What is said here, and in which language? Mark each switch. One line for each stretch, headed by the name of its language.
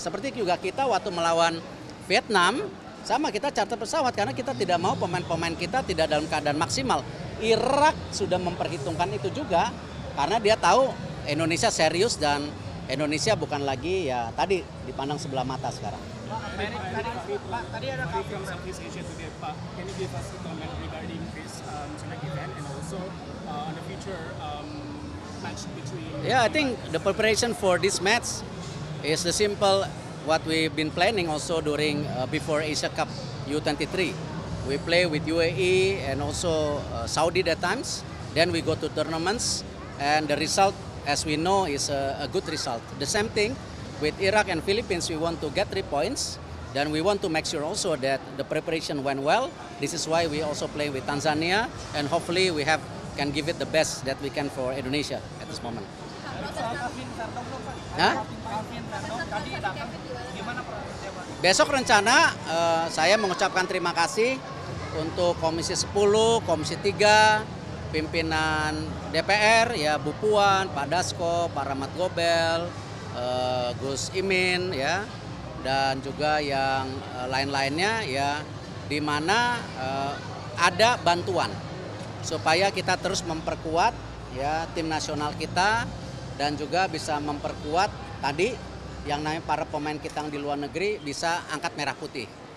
Indonesian: Seperti juga kita waktu melawan Vietnam, sama kita charter pesawat karena kita tidak mau pemain-pemain kita tidak dalam keadaan maksimal. Irak sudah memperhitungkan itu juga karena dia tahu Indonesia serius dan Indonesia bukan lagi ya tadi dipandang sebelah mata sekarang. Tadi ada kabar Southeast Asia today, Pak.
English: Can you give us a comment regarding this select event and also on the future match between? Yeah, I think the preparation for this match is the simple what we've been planning also during before Asia Cup U23. We play with UAE and also Saudi that times. Then we go to tournaments and the result as we know is a good result. The same thing with Iraq and Philippines, we want to get 3 points. Then we want to make sure also that the preparation went well. This is why we also play with Tanzania and hopefully we have can give it the best that we can for Indonesia at this moment. Huh?
Indonesian: Besok rencana saya mengucapkan terima kasih untuk Komisi 10, Komisi 3, pimpinan DPR, ya Bu Puan, Pak Dasko, Pak Rahmat Gobel, Gus Imin, ya, dan juga yang lain-lainnya, ya, di mana ada bantuan supaya kita terus memperkuat ya tim nasional kita dan juga bisa memperkuat tadi yang namanya para pemain kita yang di luar negeri bisa angkat merah putih.